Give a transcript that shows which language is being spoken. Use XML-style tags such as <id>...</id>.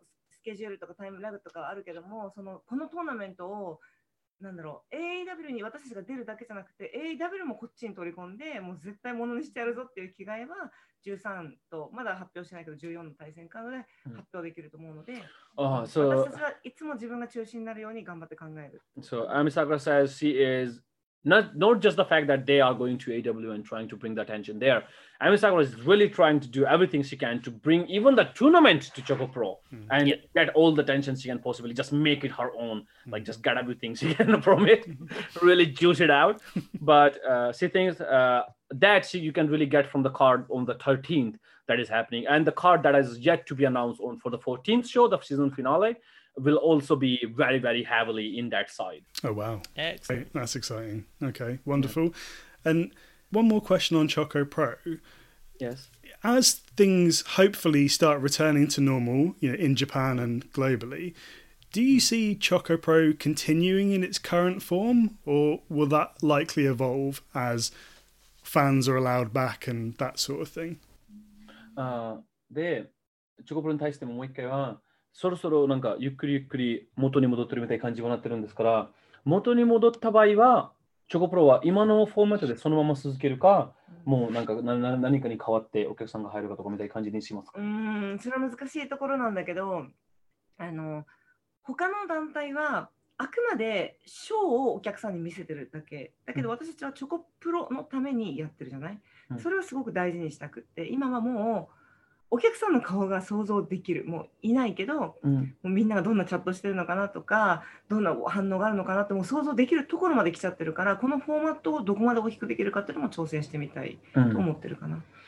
<ja>スケジュールとかタイムラグとかあるけども、そのこのトーナメントをなんだろう、 AEW に私たちが出るだけじゃなくて AEW もこっちに取り込んで、もう絶対ものにしてやるぞっていう気概は13とまだ発表してないけど14の対戦カードで発表できると思うので、</ja> <en>So,</en> <ja>私たちはいつも自分が中心になるように頑張って考える。</ja> <en>So Ami Sakura says she is not just the fact that they are going to AEW and trying to bring the attention there. Ami Sakura is really trying to do everything she can to bring even the tournament to Choco Pro and get all the attention she can possibly, just make it her own, like just get everything she can from it, really juice it out. But she thinks that she, you can really get from the card on the 13th that is happening. And the card that is yet to be announced on for the 14th show, the season finale, will also be very, very heavily in that side. Oh, wow. Excellent. Okay, that's exciting. Okay, wonderful. Yeah. And one more question on Choco Pro. Yes. As things hopefully start returning to normal, you know, in Japan and globally, do you see Choco Pro continuing in its current form, or will that likely evolve as fans are allowed back and that sort of thing?</en> <ja>Choco Pro に対してももう一回は、そろそろなんかゆっくりゆっくり元に戻ってるみたいな感じになってるんですから、元に戻った場合はチョコプロは今のフォーマットでそのまま続けるか、もうなんか何かに変わってお客さんが入るかとかみたいな感じにしますか？それは難しいところなんだけど、あの他の団体はあくまでショーをお客さんに見せてるだけだけど、私たちはチョコプロのためにやってるじゃない、それをすごく大事にしたくって、今はもうお客さんの顔が想像できる、もういないけど、もうみんながどんなチャットしてるのかなとか、どんな反応があるのかなってもう想像できるところまで来ちゃってるから、このフォーマットをどこまで大きくできるかっていうのも挑戦してみたいと思ってるかな。</ja>